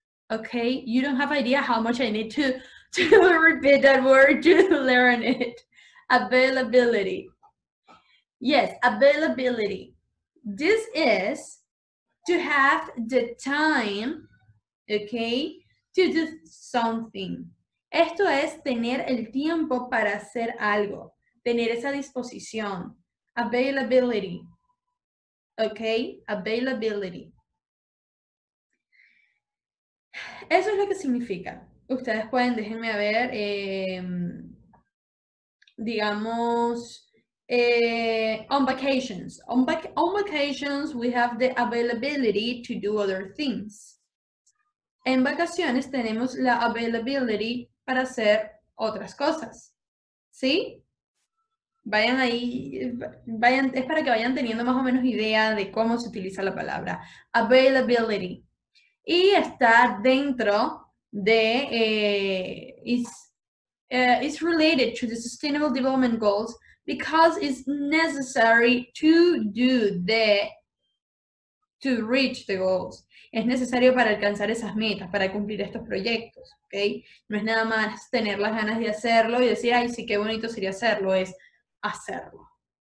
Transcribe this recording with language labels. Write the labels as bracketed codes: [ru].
[en] Okay, you don't have idea how much I need to repeat that word to learn it. Availability. Yes, availability. This is to have the time, okay, to do something. [es] Esto es tener el tiempo para hacer algo, tener esa disposición, availability. [en] Okay, availability. [es] Eso es lo que significa. Ustedes pueden, déjenme ver, digamos, [en] on vacations. On vacations, we have the availability to do other things. [es] En vacaciones tenemos la availability para hacer otras cosas. ¿Sí? Vayan ahí, vayan, es para que vayan teniendo más o menos idea de cómo se utiliza la palabra availability. Y está dentro de [en] is related to the Sustainable Development Goals because it's necessary to do the to reach the goals. [es] Es necesario para alcanzar esas metas, para cumplir estos proyectos, ¿okay? No es nada más tener las ganas de hacerlo y decir, ay, sí, qué bonito sería hacerlo, es hacerlo.